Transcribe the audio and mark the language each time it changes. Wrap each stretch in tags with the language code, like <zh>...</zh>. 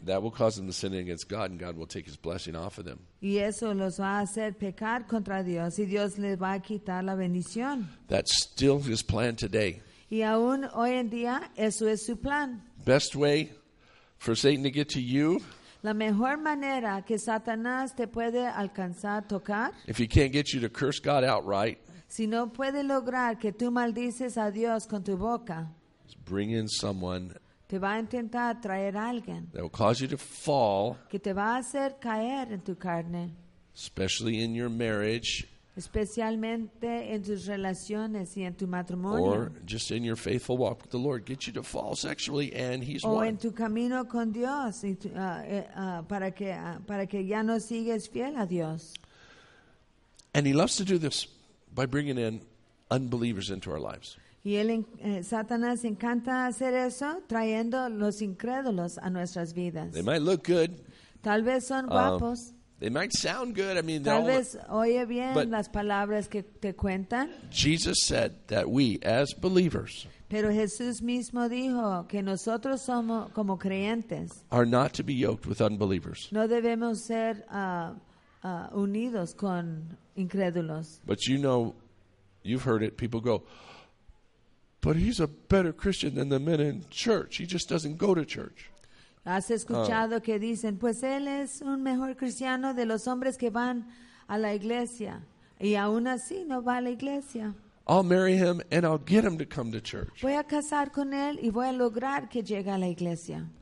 <en>That will cause them to sin against God, and God will take His blessing off of them.</en> <es>Y eso los va a hacer pecar contra Dios, y Dios les va a quitar la bendición.</es> <en>That's still His plan today.</en> <es>Y aún hoy en día eso es su plan.</es> <en>Best way for Satan to get to you.</en> <es>La mejor manera que Satanás te puede alcanzar tocar.</es> <en>If he can't get you to curse God outright.</en> <es>Si no puede lograr que tú maldices a Dios con tu boca.</es> <en>Bring in someone.</en> <es>Te va a intentar traer alguien.</es> <en>That will cause you to fall.</en> <es>Que te va a hacer caer en tu carne.</es> <en>Especially in your marriage.</en> <es>Especialmente en tus relaciones y en tu matrimonio.</es> <en>Or just in your faithful walk with the Lord, get you to fall sexually, and He's won.</en> <es>O en tu camino con Dios, para que ya no sigues fiel a Dios.</es> <en>And He loves to do this by bringing in unbelievers into our lives.</en> <es>Y él, Satanás, encanta hacer eso, trayendo los incrédulos a nuestras vidas.</es> <en>They might look good.</en> <es>Tal vez son guapos.</es> <en>They might sound good. I mean,</en> <es>tal vez oye bien las palabras que te cuentan.</es> <en>Jesus said that we, as believers,</en> <es>pero Jesús mismo dijo que nosotros somos como creyentes.</es> <en>Are not to be yoked with unbelievers.</en> <es>No debemos ser unidos con incrédulos.</es> <en>But you know, you've heard it. People go, but he's a better Christian than the men in church. He just doesn't go to church.</en> <es>¿Has escuchado que dicen, pues él es un mejor cristiano de los hombres que van a la iglesia y aún así no va a la iglesia?</es> <en>I'll marry him and I'll get him to come to church.</en> <es>Voy a casar con él y voy a lograr que llegue a la iglesia.</es>